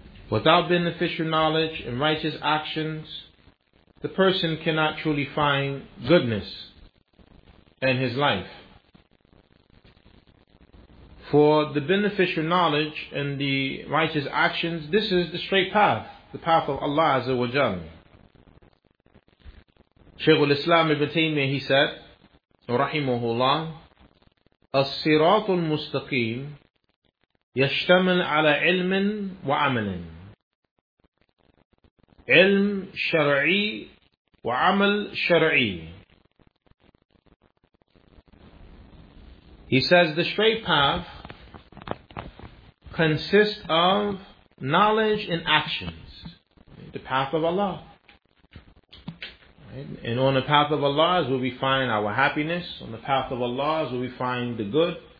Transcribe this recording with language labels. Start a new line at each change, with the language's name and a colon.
English: Without beneficial knowledge and righteous actions, the person cannot truly find goodness in his life. For the beneficial knowledge and the righteous actions, this is the straight path, the path of Allah Azza wa Jal.
Arabic: Shaykh al-Islam ibn Taymiyyah,
English: he said,
Arabic: rahimahullah, الصراط المستقيم يشتمل على علم وعمل علم شرعي وعمل شرعي.
English: He says the straight path consists of knowledge and actions. The path of Allah. And on the path of Allah is where we find our happiness. On the path of Allah is where we find the good.